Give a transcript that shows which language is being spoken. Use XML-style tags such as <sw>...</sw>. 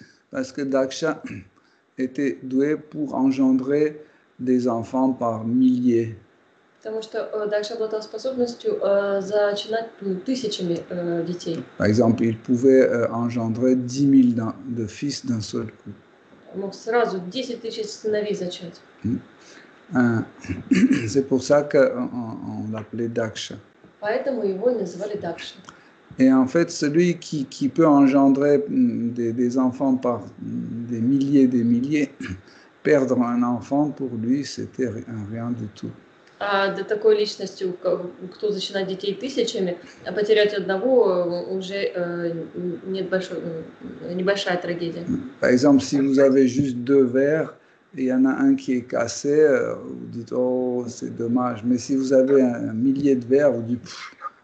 <fr>Parce que Daksha était doué pour engendrer des enfants par milliers.</fr> <ru>Потому что Дакша обладал способностью зачинать тысячами детей.</ru> <fr>Par exemple, il pouvait engendrer 10 000 de fils d'un seul coup.</fr> <ru>Он мог сразу 10 тысяч сыновей зачать.</ru> <fr>C'est pour ça qu'on l'appelait Дакша.</fr> <ru>Поэтому его называли Дакша.</ru> <fr>Et en fait, celui qui peut engendrer des enfants par des milliers, perdre un enfant, pour lui, c'était rien du tout.</fr> <ru>А до такой личности, кто зачинает детей тысячами, а потерять одного уже небольшая трагедия.</ru> <fr>Par exemple, si vous avez juste deux verres, il y en a un qui est cassé, vous dites oh c'est dommage. Mais si vous avez un millier de verres, vous dites pff,</fr>